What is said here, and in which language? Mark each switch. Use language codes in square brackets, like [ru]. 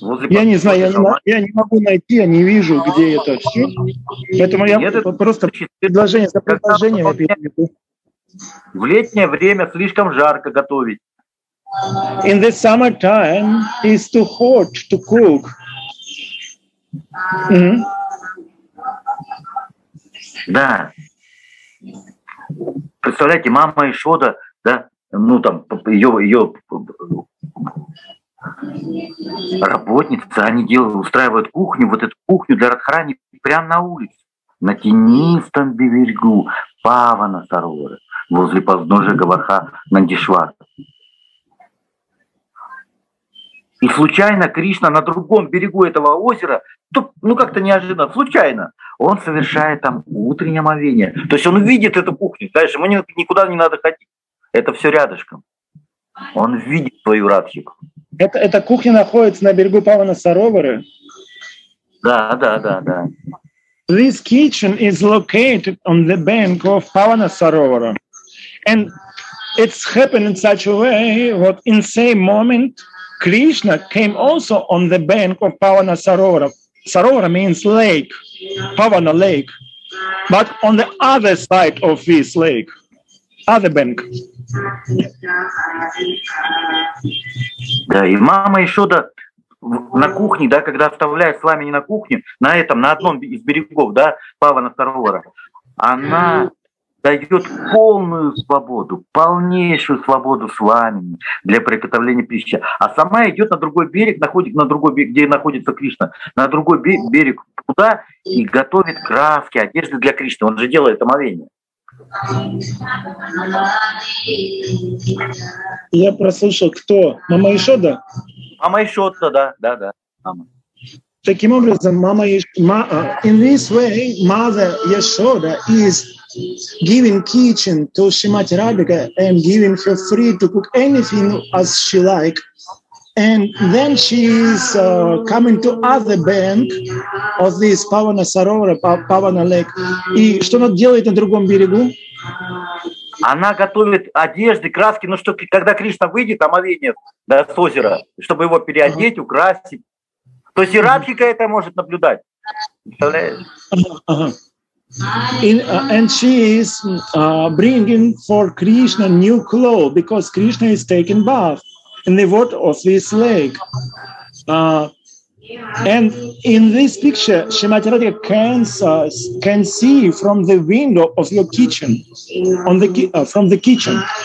[ru] Я не знаю, я не могу найти, я не вижу, где это все. Поэтому предложение за предложением. В летнее время слишком жарко готовить. [en] In the summer time is too hot to cook. [ru] Да. Представляете, мама Ишода, да, ну там ее работницы, они устраивают кухню, вот эту кухню для Радхарани прямо на улице, на тенистом берегу Павана Сарора, возле подножия Гаварха Нандишвара. И случайно Кришна на другом берегу этого озера, ну как-то неожиданно, случайно, он совершает там утреннее омовение. То есть он видит эту кухню, дальше ему никуда не надо ходить. Это все рядышком. Он видит твою Радхику. Эта кухня находится на берегу Павана Сароваре? Да, да, да, да. [en] This kitchen is located on the bank of Pavana Sarovara. And it's happened in such a way that in the same moment, Krishna came also on the bank of Pavana Sarovara. Sarovara means lake, Pavana lake. But on the other side of this lake, other bank. [ru] Да, и мама Ишода на кухне, да, когда оставляет с вами не на кухне, на этом, на одном из берегов, да, Павана Сарвара, она дает полную свободу, полнейшую свободу с вами для приготовления пищи. А сама идет на другой берег, находит на другой берег, где находится Кришна, на другой берег туда и готовит краски, одежды для Кришны. Он же делает омовение. Я прослушал, кто? Мама Ишода? Мама Ишода, да, да, да. Мама. Таким образом, мама Ишода, [en] in this way, mother Ишода is giving kitchen to Shrimati Radhika and giving her free to cook anything as she like. And then she's coming to other bank of this Pavana Sarovara, Pavana Lake. [ru] И что она делает на другом берегу? Она готовит одежды, краски, ну что, когда Кришна выйдет, омовение, да, с озера, чтобы его переодеть, uh-huh. украсить. То есть и Радхика это может наблюдать. [en] And she is bringing for Krishna new clothes, because Krishna is taking bath in the water of this lake. And in this picture, Shrimati Radhika can see from the window of your kitchen, on the from the kitchen.